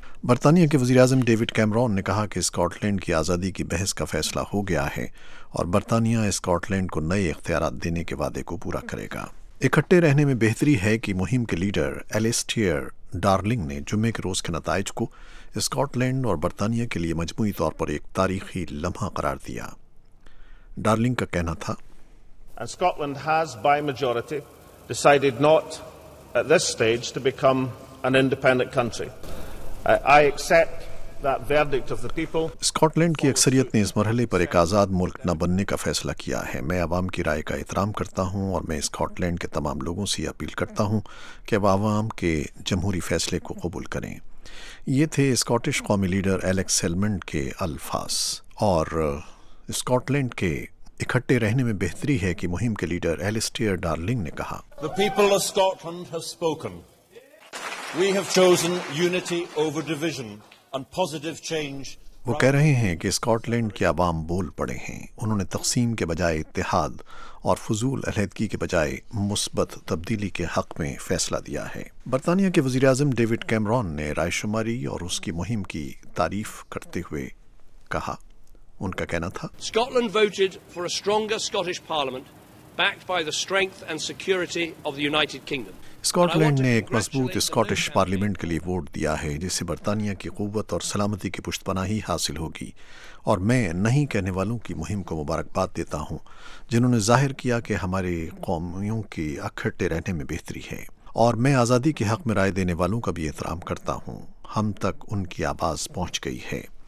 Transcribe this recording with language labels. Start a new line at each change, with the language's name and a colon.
Urdu: برطانیہ کے وزیراعظم ڈیوڈ کیمرون نے کہا کہ اسکاٹ لینڈ کی آزادی کی بحث کا فیصلہ ہو گیا ہے اور برطانیہ اسکاٹ لینڈ کو نئے اختیارات دینے کے وعدے کو پورا کرے گا۔ اکٹھے رہنے میں بہتری ہے کہ مہم کے لیڈر ایلسٹیئر ڈارلنگ نے جمعے کے روز کے نتائج کو اسکاٹ لینڈ اور برطانیہ کے لیے مجموعی طور پر ایک تاریخی لمحہ قرار دیا۔ ڈارلنگ کا کہنا تھا،
English: And Scotland has, by majority, decided not, at this stage, to become an independent country. I accept that verdict of the people.
Urdu: Scotland کی اکثریت نے اس مرحلے پر ایک آزاد ملک نہ بننے کا فیصلہ کیا ہے۔ میں عوام کی رائے کا احترام کرتا ہوں اور میں اسکاٹ لینڈ کے تمام لوگوں سے اپیل کرتا ہوں کہ وہ عوام کے جمہوری فیصلے کو قبول کریں۔ یہ تھے اسکاٹش قومی لیڈر ایلیکس سیلمنڈ کے الفاظ۔ اور اسکاٹ لینڈ کے اکٹھے رہنے میں بہتری ہے کہ مہم کے لیڈر ایلسٹیئر ڈارلنگ نے کہا،
English: The people of Scotland have spoken. We have chosen unity over division and positive change.
Urdu: وہ کہہ رہے ہیں کہ اسکاٹ لینڈ کے عوام بول پڑے ہیں، انہوں نے تقسیم کے بجائے اتحاد اور فضول علیحدگی کے بجائے مثبت تبدیلی کے حق میں فیصلہ دیا ہے۔ برطانیہ کے وزیراعظم ڈیوڈ کیمرون نے رائے شماری اور اس کی مہم کی تعریف کرتے ہوئے کہا، ان کا کہنا تھا،
English: Scotland voted for a stronger Scottish Parliament backed by the strength and security of the United Kingdom.
Urdu: Scott land نے ایک مضبوط اسکاٹش پارلیمنٹ کے لیے ووٹ دیا ہے جسے برطانیہ کی قوت اور سلامتی کی پشت پناہی حاصل ہوگی، اور میں نہیں کہنے والوں کی مہم کو مبارکباد دیتا ہوں جنہوں نے ظاہر کیا کہ ہمارے قوموں کے اکٹھے رہنے میں بہتری ہے، اور میں آزادی کے حق میں رائے دینے والوں کا بھی احترام کرتا ہوں، ہم تک ان کی آواز پہنچ گئی ہے۔